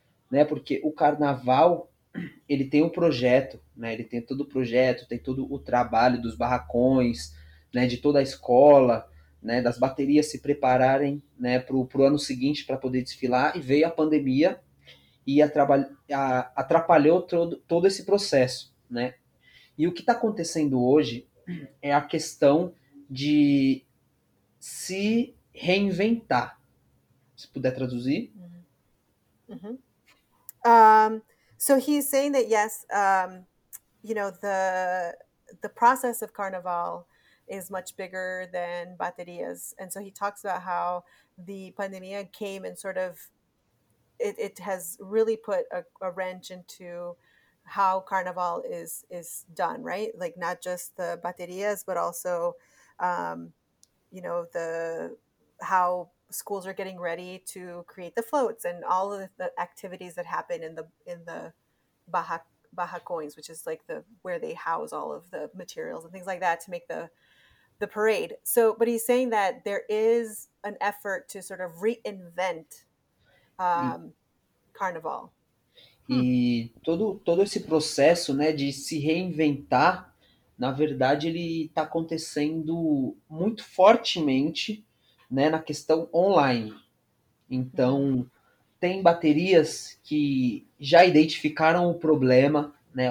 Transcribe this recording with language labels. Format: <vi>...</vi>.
<pt>né, porque o carnaval, ele tem um projeto, né, ele tem todo o projeto, tem todo o trabalho dos barracões, né, de toda a escola, né, das baterias se prepararem, né, pro ano seguinte para poder desfilar, e veio a pandemia e atrapalhou todo esse processo. Né? E o que está acontecendo hoje é a questão de se reinventar, se puder traduzir.</pt> <en>So he's saying that yes, you know, the process of carnival is much bigger than baterias, and so he talks about how the pandemia came and sort of it has really put a wrench into how carnival is done, right? Like not just the baterias, but also, you know, the how schools are getting ready to create the floats and all of the activities that happen in the Baja coins, which is like the where they house all of the materials and things like that to make the parade. So, but he's saying that there is an effort to sort of reinvent carnival.</en> <pt>E todo esse processo, né, de se reinventar, na verdade, ele está acontecendo muito fortemente, né, na questão online. Então, tem baterias que já identificaram o problema, né?</pt>